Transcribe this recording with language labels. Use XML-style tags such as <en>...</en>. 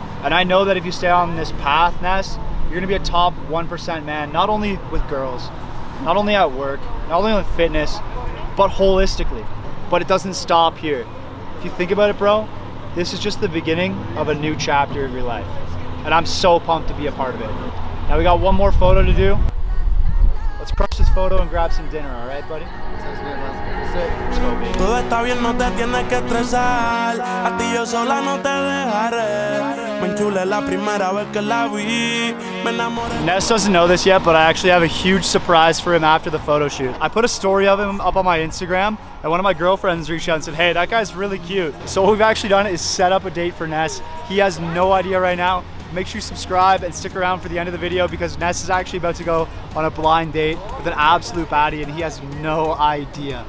<en>And I know that if you stay on this path, Ness, you're gonna be a top 1% man, not only with girls, not only at work, not only with fitness, but holistically. But it doesn't stop here. If you think about it, bro, this is just the beginning of a new chapter of your life. And I'm so pumped to be a part of it. Now we got one more photo to do. Let's crush this photo and grab some dinner, all right, buddy? Sounds good, man.</en> <es>Todo está bien, no te tienes que estresar. A ti yo sola no te dejaré. Me enchulé la primera vez que la vi.</es> <en>Ness doesn't know this yet, but I actually have a huge surprise for him after the photo shoot. I put a story of him up on my Instagram, and one of my girlfriends reached out and said, hey, that guy's really cute. So what we've actually done is set up a date for Ness. He has no idea right now. Make sure you subscribe and stick around for the end of the video because Ness is actually about to go on a blind date with an absolute baddie and he has no idea.</en>